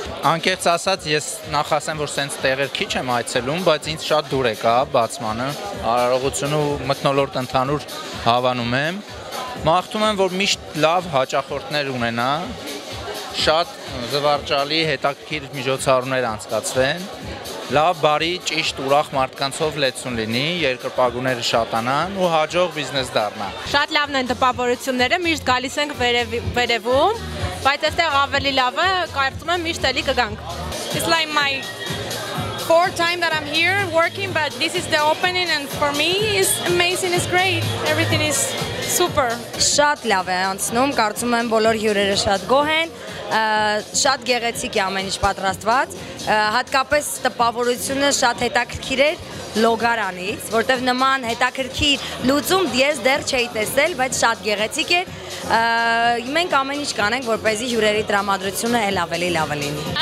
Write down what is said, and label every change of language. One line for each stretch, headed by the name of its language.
Armenian: Անկեղծ ասած, ես նախ ասեմ, որ սենց տեղեր քիչ եմ այցելում, բայց ինձ շատ դուր է գա բացմանը, արարողությունը ու մթնոլորտ ընդհանուր հավանում եմ։ Մաղթում եմ, որ միշտ լավ հաճախորդներ ունենա, շատ զվարճալի հետաքրքիր միջոցառումներ անցկացվեն, լավ, բարի, ճիշտ, ուրախ մարդկանցով լեցուն լինի, երկրպագուները շատանան ու հաջող բիզնես դառնա։ Շատ լավն են տպավորությունները, միշտ գալիս ենք վերևում, բայց այստեղ ավելի լավը, կարծում եմ միշտ էլի կգանք։
English: It's like my fourth time that I'm here working, but this is the opening and for me it's amazing, it's great. Everything is super.
Armenian: Շատ լավ է անցնում, կարծում եմ բոլոր հյուրերը շատ գոհ են, շատ գեղեցիկ է ամեն ինչ պատրաստված, հատկապես տպավորությունը շատ հետաքրքիր էր լոգարանից, որտեղ նման հետաքրքիր լուծում ես դեռ չէի տեսել, բայց շատ գեղեցիկ է։ Մենք ամեն ինչ կանենք, որպեսզի հյուրերի տրամադրությունը էլ ավելի լավը լինի։